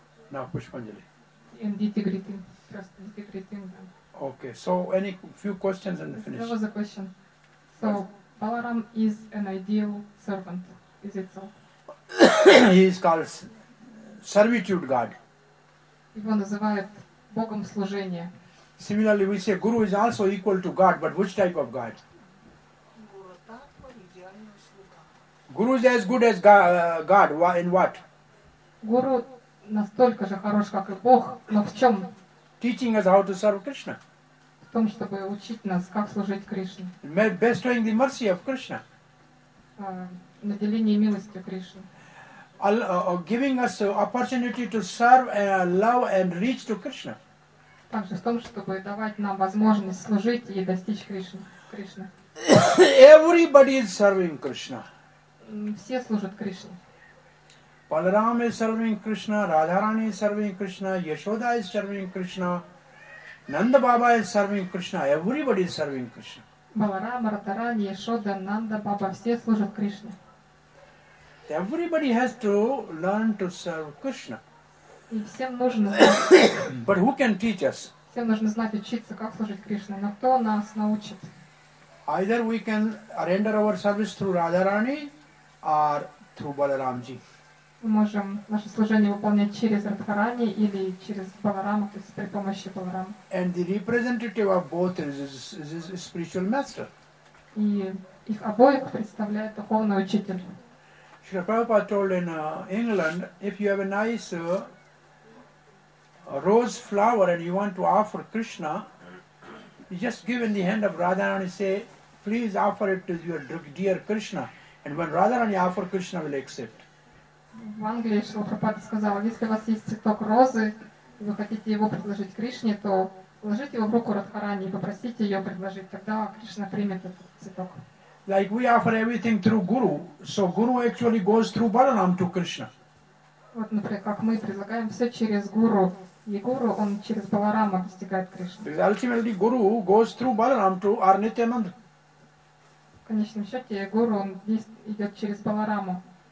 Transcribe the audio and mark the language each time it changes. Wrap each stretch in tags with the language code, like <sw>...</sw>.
<en>Now Pushpanjali. And did you greeting? First did you greeting? Okay. So any few questions and finish. There was a question. So Balaram is an ideal servant, is it so? He is called servitude god.</en> <ru>Его называют богом служения.</ru> <en>Similarly, we say guru is also equal to god, but which type of god? Guru is as good as god. In what?</en> <ru>Guru настолько же хорош, как и бог, но в чем?</ru> <en>Teaching us how to serve Krishna.</en> <ru>В том, чтобы учить нас, как служить Кришне.</ru> <en>Bestowing the mercy of Krishna.</en> <ru>Наделение милостью Кришны.</ru> <en>Giving us opportunity to serve and love and reach to Krishna.</en> <ru>Также в том, чтобы давать нам возможность служить и достичь Кришны.</ru> <en>Everybody is serving Krishna.</en> <ru>Все служат Кришне.</ru> <en>Balaram is serving Krishna, Radharani is serving Krishna, Yashoda is serving Krishna. Nanda Baba is serving Krishna. Everybody is serving Krishna.</en> <ru>Баларама, Радхарани, Яшода, Нанда Баба, все служат Кришне.</ru> <en>Everybody has to learn to serve Krishna.</en> <ru>И всем нужно.</ru> <en>But who can teach us?</en> <ru>Всем нужно знать учиться, как служить Кришне. Но кто нас научит?</ru> <en>Either we can render our service through Radharani or through Баларамджи.</en> <ru>Мы можем наше служение выполнять через Радхарани или через Балараму, то есть при помощи Баларамы.</ru> <en>And the representative of both is a spiritual master.</en> <ru>И их обоих представляет духовный учитель.</ru> <en>Шри Прабхупада told in England, if you have a nice rose flower and you want to offer Krishna, just given the hand of Radharani, say, please offer it to your dear Krishna. And when Radharani offer, Krishna will accept.</en> <ru>В Англии Шрила Прабхупада сказал, если у вас есть цветок розы, и вы хотите его предложить Кришне, то положите его в руку Радхарани и попросите ее предложить, тогда Кришна примет этот цветок.</ru> <en>Like we offer everything through Guru, so Guru actually goes through Balaram to Krishna.</en> <ru>Вот, например, как мы предлагаем все через Гуру, и Гуру, он через Баларама достигает Кришны.</ru> <en>Because ultimately Guru goes through Balaram to Arnityananda.</en> <ru>В конечном счете Гуру, он идет через Балараму.</ru>